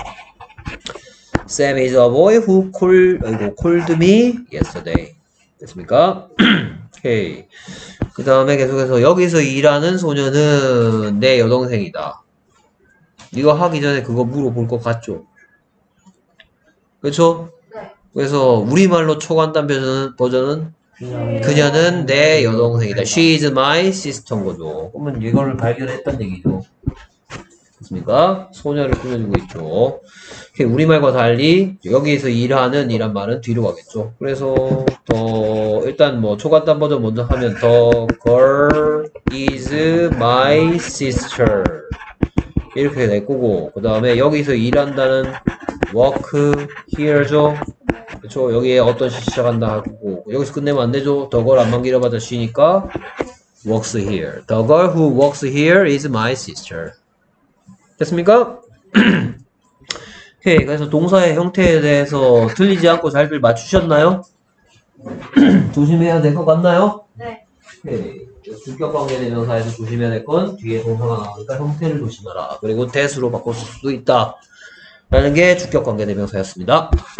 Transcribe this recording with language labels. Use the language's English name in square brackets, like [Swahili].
[Korean] 하면 되겠죠. [English] Sam is a boy who called me yesterday. [Korean] 됐습니까? 오케이. 그 다음에 계속해서 여기서 일하는 소녀는 내 여동생이다. 이거 하기 전에 그거 물어볼 것 같죠? 그렇죠? 그래서 우리말로 초간단 버전은 그녀는 내 여동생이다. [English] She is my sister인 거죠. [Korean] 그러면 이걸 발견했단 얘기죠. 그렇습니까? 소녀를 꾸며주고 있죠. 우리말과 달리 여기에서 일하는 이란 말은 뒤로 가겠죠. 그래서 더 일단 뭐 초간단 버전 먼저 하면 [English] The girl is my sister [Korean] 이렇게 될 거고, 그 다음에 여기서 일한다는 [English] work here [Korean] 죠. 그렇죠. 여기에 어떤 시 시작한다 하고, 여기서 끝내면 안 되죠. [English] The girl [Korean] 안만 길어봤자 쉬니까 [English] works here. The girl who works here is my sister. [Korean] 됐습니까? 오케이. 그래서 동사의 형태에 대해서 틀리지 않고 잘 맞추셨나요? 조심해야 될것 같나요? 네. 오케이. 주격 관계대명사에서 조심해야 될건 뒤에 동사가 나오니까 형태를 조심하라. 그리고 대수로 바꿀 수도 있다. 라는 게 주격 관계대명사였습니다.